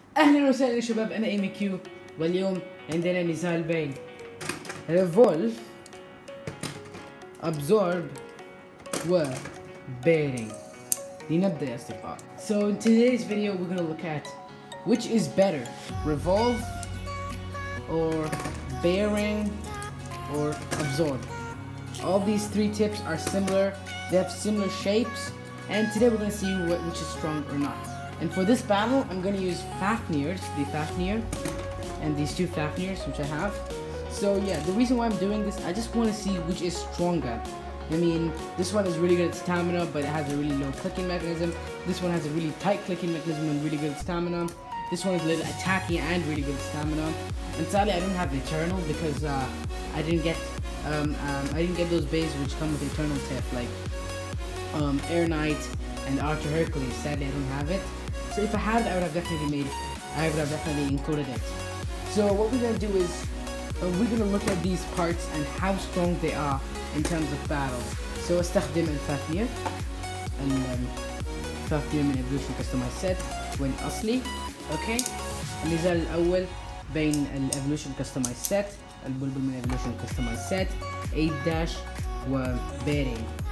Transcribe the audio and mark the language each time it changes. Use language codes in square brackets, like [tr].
[ar] اهلا وسهلا شباب، انا ايمي كيو، واليوم عندنا نزال بين ريفولف أبسورب و بايرنج. لنبدأ يا أصدقاء. [en] So in today's video we're gonna look at which is better, Revolve or bearing or absorb. All these three tips are similar, they have similar shapes, and today we're gonna see which is strong or not. And for this battle, I'm gonna use Fafnirs, the Fafnir, and these two Fafnirs which I have. So yeah, the reason why I'm doing this, I just wanna see which is stronger. I mean, this one is really good at stamina, but it has a really low clicking mechanism. This one has a really tight clicking mechanism and really good at stamina. This one is a little attacky and really good at stamina. And sadly, I didn't have the Eternal because I didn't get those bays which come with Eternal tip, like Air Knight and Archer Hercules. Sadly, I don't have it. So if I had it, I would have definitely included it. So what we're gonna do is we're gonna look at these parts and how strong they are in terms of battle. [ar] So استخدم الفافير الفافير من إبروشن كاستمايز سيت وين أصلي. [en] Okay. [ar] النزال الأول بين الإبروشن كاستمايز سيت البلبل من إبروشن كاستمايز سيت 8 داش وبيرين.